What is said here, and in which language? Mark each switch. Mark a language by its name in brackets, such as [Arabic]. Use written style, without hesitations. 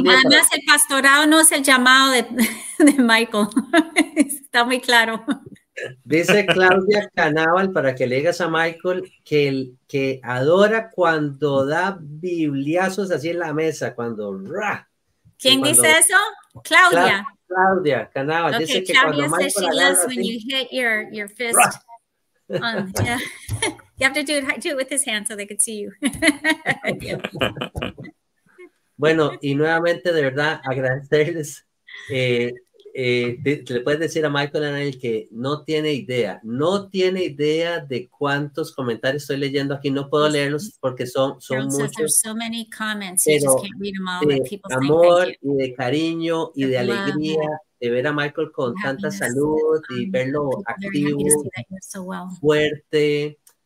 [Spanish] Me encanta el pastorado, no es el llamado de Michael. Está muy claro. Dice Claudia Canaval, para que le digas a Michael que el que adora cuando da bibliazos así en la mesa, cuando ¡ra! ¿Quién dice eso? Claudia. Claudia Canaval. Okay, dice que Claudia cuando [English] says she loves when you hit your fist. You have to do it with his hand so they could see you. [Spanish] Bueno, y nuevamente, de verdad, agradecerles. Le puedes decir a Michael Anel que no tiene idea de cuántos comentarios estoy leyendo aquí. No puedo leerlos porque son muchos. [English] So many comments, you [Spanish] pero [English] just can't read them all, [Spanish] de amor y de cariño y de alegría de ver a Michael con tanta salud y verlo activo, fuerte.